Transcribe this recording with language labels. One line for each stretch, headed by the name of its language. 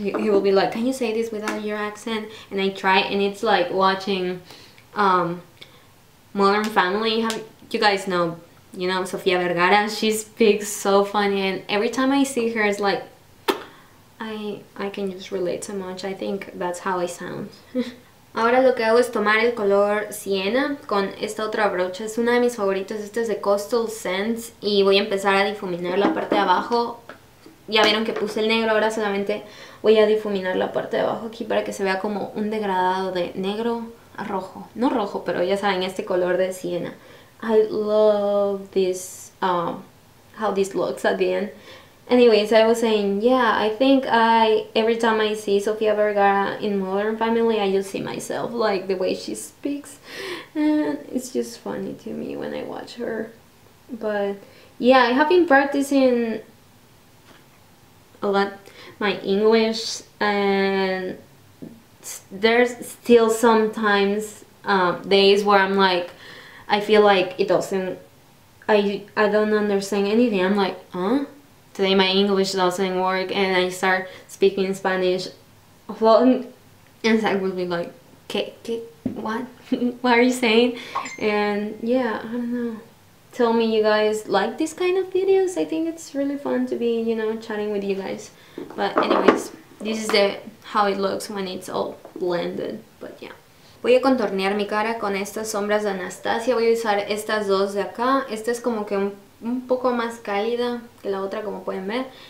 English: He will be like, can you say this without your accent? And I try, and it's like watching Modern Family. You guys know, you know, Sofia Vergara, she speaks so funny, and every time I see her, it's like, I can just relate so much. I think that's how I sound.
Spanish: Ahora lo que hago es tomar el color Sienna con esta otra brocha. Es una de mis favoritas. Este es de Coastal Scents. Y voy a empezar a difuminar la parte de abajo. Ya vieron que puse el negro. Ahora solamente voy a difuminar la parte de abajo aquí para que se vea como un degradado de negro a rojo. No rojo, pero ya saben, este color de Sienna.
English: I love this, how this looks at the end. Anyways, I was saying, yeah, I think every time I see Sofia Vergara in Modern Family, I just see myself, like, the way she speaks. And it's just funny to me when I watch her. But, yeah, I have been practicing a lot my English, and there's still sometimes days where I'm like, I feel like it doesn't, I don't understand anything. I'm like, huh? Today my English doesn't work and I start speaking Spanish a lot, and Zach would be like, ¿Qué? What? What are you saying? And yeah, I don't know. Tell me you guys like this kind of videos. I think it's really fun to be, you know, chatting with you guys. But anyways, this is the how it looks when it's all blended. But yeah.
Spanish: Voy a contornear mi cara con estas sombras de Anastasia. Voy a usar estas dos de acá. Esta es como que un poco más cálida que la otra, como pueden ver.